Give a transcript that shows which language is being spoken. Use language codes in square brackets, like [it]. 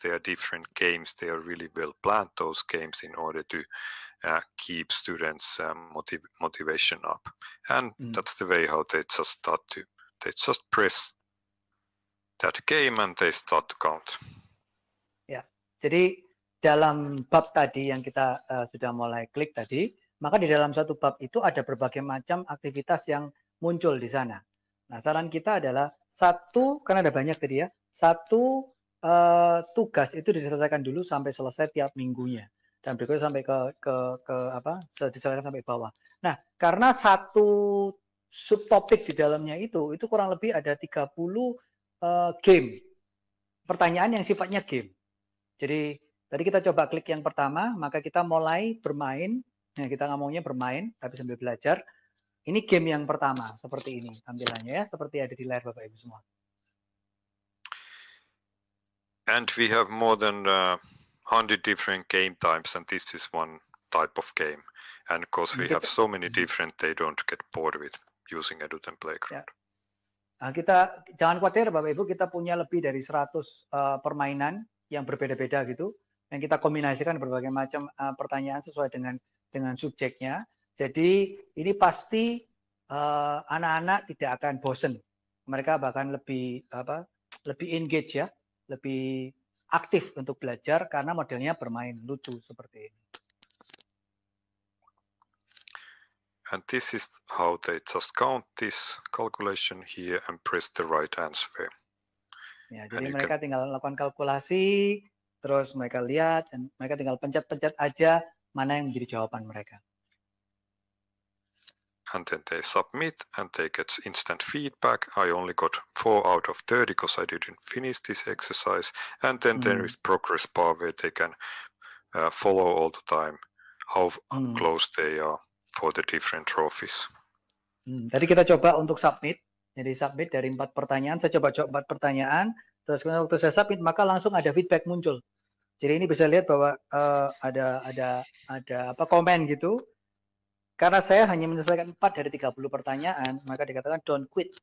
[en] They are different games. They are really well planned, those games, in order to keep students motivation up. And that's the way how they just start to, they just press that game and they start to count. Yeah. [id] Jadi dalam bab tadi yang kita sudah mulai klik tadi, maka di dalam satu bab itu ada berbagai macam aktivitas yang muncul di sana. Nah, saran kita adalah satu, karena ada banyak tadi ya, satu tugas itu diselesaikan dulu sampai selesai tiap minggunya. Dan berikutnya sampai ke apa, diselesaikan sampai bawah. Nah, karena satu subtopik di dalamnya itu kurang lebih ada 30 game. Pertanyaan yang sifatnya game. Jadi, tadi kita coba klik yang pertama, maka kita mulai bermain. Nah, kita ngomongnya bermain, tapi sambil belajar. Ini game yang pertama, seperti ini tampilannya ya, seperti ada di layar Bapak-Ibu semua. [en] And we have more than 100 different game types, and this is one type of game. And of course we have so many different, they don't get bored with using EDUTEN Playground. [id] Ya. Nah, kita jangan khawatir Bapak-Ibu, kita punya lebih dari 100 permainan yang berbeda-beda gitu. Yang kita kombinasikan berbagai macam pertanyaan sesuai dengan subjeknya. Jadi ini pasti anak-anak tidak akan bosen. Mereka bahkan lebih engage ya, lebih aktif untuk belajar karena modelnya bermain lucu seperti ini. [en] And this is how they just count this calculation here and press the right answer. [id] Ya, jadi and mereka tinggal lakukan kalkulasi. Terus mereka lihat dan mereka tinggal pencet-pencet aja mana yang menjadi jawaban mereka. [en] And then they submit and they get instant feedback. I only got 4 out of 30 because I didn't finish this exercise. And then there is progress bar where they can follow all the time how close they are for the different trophies. [id] Tadi kita coba untuk submit. Jadi submit dari 4 pertanyaan. Saya coba 4 pertanyaan. Terus kemudian waktu saya submit, maka langsung ada feedback muncul. Jadi ini bisa lihat bahwa ada apa komen gitu. Karena saya hanya menyelesaikan 4 dari 30 pertanyaan, maka dikatakan [en] don't quit.